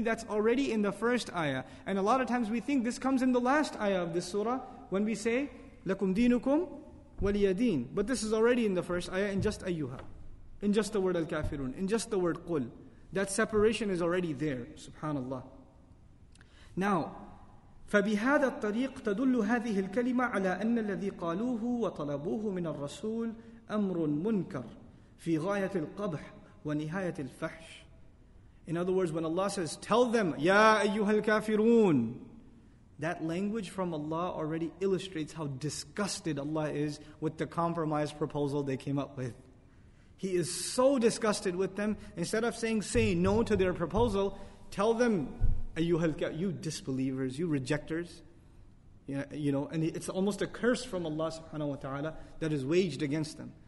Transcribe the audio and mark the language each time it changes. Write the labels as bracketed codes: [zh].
[en] That's already in the first ayah. And a lot of times we think this comes in the last ayah of this surah, when we say, [ar] لَكُمْ دِينُكُمْ وَلِيَ دِينَ. [en] But this is already in the first ayah, in just ayyuha, in just the word al-kafirun, in just the word qul. That separation is already there, subhanallah. [ar] Now, فبهذا الطريق تدل هذه الكلمة على أن الذي قالوه وطلبوه من الرسول أمر منكر في غاية القبح ونهاية الفحش. [en] In other words, when Allah says, tell them, Ya [ar] أَيُّهَا الْكَافِرُونَ, [en] that language from Allah already illustrates how disgusted Allah is with the compromise proposal they came up with. He is so disgusted with them. Instead of saying, say no to their proposal, tell them, you disbelievers, you rejectors, you know, and it's almost a curse from Allah subhanahu wa ta'ala that is waged against them.